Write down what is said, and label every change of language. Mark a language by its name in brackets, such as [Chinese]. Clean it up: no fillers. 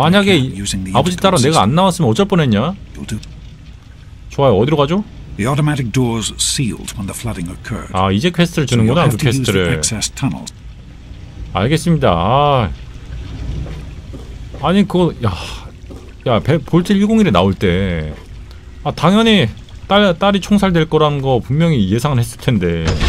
[Korean] 아, 만약에 아버지 따라 내가 안 나왔으면 어쩔 뻔했냐? 좋아요. 어디로 가죠? [English] The automatic doors sealed when the flooding occurred. [Korean] 아, 이제 퀘스트를 주는구나. 그 퀘스트를. 알겠습니다. 아니 그거 야 볼트 101에 나올 때 아 당연히 딸이 총살될 거라는 거 분명히 예상은 했을 텐데.